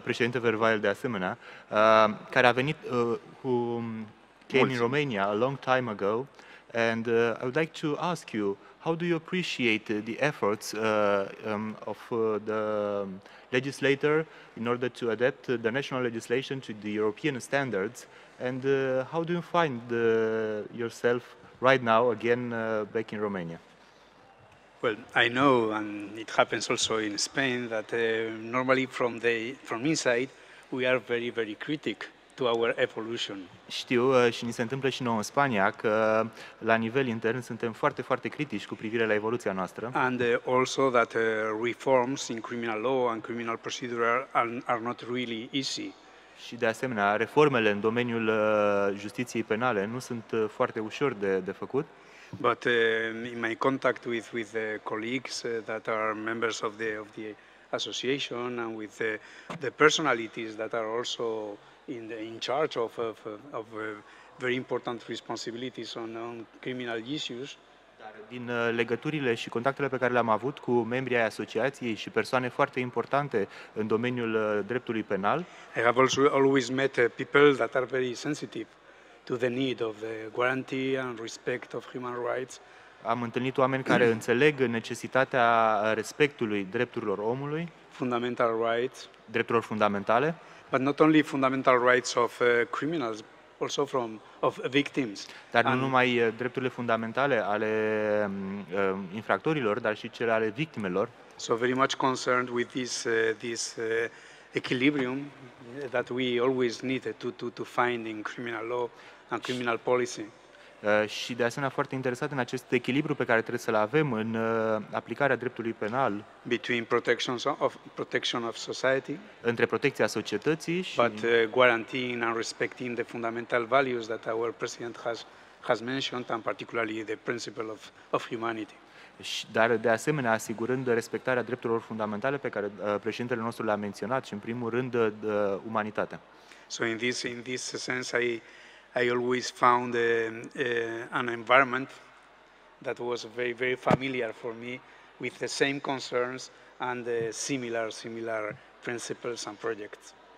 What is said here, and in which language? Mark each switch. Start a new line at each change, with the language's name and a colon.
Romanian: președinte Verweil de asemenea, care a venit,
English: who came in Romania a long time ago, and I would like to ask you, how do you appreciate the efforts of the legislator in order to adapt the national legislation to the European standards, and how do you find yourself right now again back in Romania? Well, I know, and it happens also in Spain, that normally from inside we are very, very critic to our evolution.
Romanian: Știu și ni se întâmplă și nouă în Spania că la nivel intern suntem foarte, foarte critici cu privire la evoluția noastră.
English: And also that reforms in criminal law and criminal procedure are not really easy.
Romanian: Și de asemenea, reformele în domeniul justiției penale nu sunt foarte ușor de făcut.
English: But in my contact with the colleagues that are members of the association and with the personalities that are also in charge of very important responsibilities on criminal issues.
Romanian: Din legăturile și contactele pe care le-am avut cu membrii ai asociației și persoane foarte importante în domeniul dreptului penal.
English: I have also always met people that are very sensitive to the need of the guarantee and respect of human rights.
Romanian: Am întâlnit oameni care înțeleg necesitatea respectului drepturilor omului,
English: fundamental rights,
Romanian: drepturilor fundamentale,
English: but not only fundamental rights of criminals, also from of victims.
Romanian: Dar nu numai drepturile fundamentale ale infractorilor, dar și cele ale victimelor.
English: So very much concerned with this equilibrium that we always need to find in criminal law and criminal policy.
Romanian: Și de asemenea foarte interesat în acest echilibru pe care trebuie să-l avem în aplicarea dreptului penal
English: between protection of society,
Romanian: între protecția societății și
English: but guaranteeing and respecting the fundamental values that our president has mentioned and particularly the principle of humanity.
Romanian: Dar de asemenea asigurând respectarea drepturilor fundamentale pe care președintele nostru le-a menționat și în primul rând umanitatea.
English: So in this sense I always found an environment that was very, very familiar for me, with the same concerns and similar principles and projects.